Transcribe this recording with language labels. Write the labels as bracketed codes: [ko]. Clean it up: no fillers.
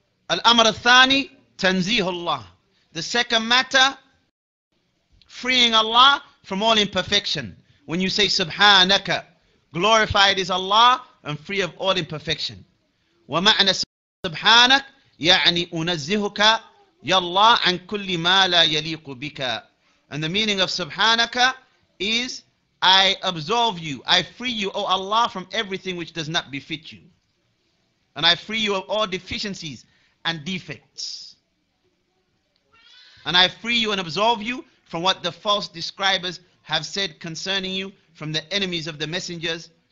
[ar] Al-amr al-thani, تنزيه الله. [en] The second matter, freeing Allah from all imperfection. When you say سبحانك, glorified is Allah and free of all imperfection. [ar] ومعنى سبحانك يعني أنزهك يا الله عن كل ما لا يليق بك. [en] And the meaning of سبحانك is I absolve you, I free you, O Allah, from everything which does not befit you. And I free you of all deficiencies and defects. And I free you and absolve you from what the false describers have said concerning you, from the enemies of the messengers